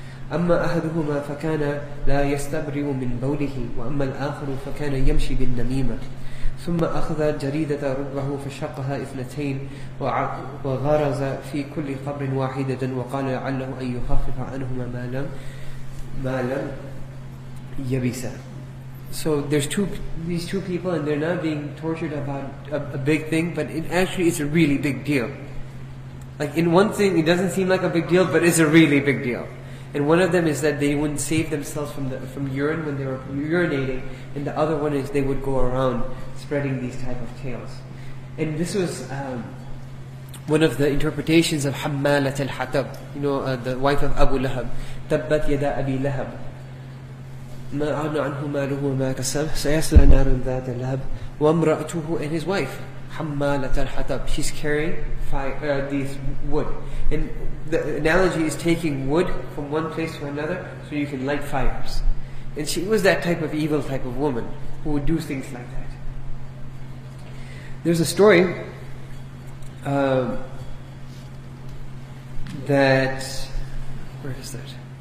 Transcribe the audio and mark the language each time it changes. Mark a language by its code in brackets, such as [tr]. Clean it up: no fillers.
[ar] أما أحدهما فكان لا يستبرئ من بوله وأما الآخر فكان يمشي بالنميمة ثم أخذ جريدة ربه فشقها اثنتين وغرز في كل قبر واحدة وقال لعله أن يخفف عنهما ما لم يبسا. [en] So there's these two people and they're not being tortured about a big thing, but it actually is a really big deal. Like, in one thing, it doesn't seem like a big deal, but it's a really big deal. And one of them is that they wouldn't save themselves from urine when they were urinating, and the other one is they would go around spreading these type of tales. And this was one of the interpretations of Hammalat al-Hatab, you know, the wife of Abu Lahab. [ar] Tabbat yada Abi Lahab. ما أغنى عنه ماله وما كسب سيصل نار ذات لهب وامرأته [en] and his wife [ar] حمالة الحطب. [en] She's carrying fire, these wood, and the analogy is taking wood from one place to another so you can light fires. And she was that type of evil type of woman who would do things like that. There's a story that, where is that?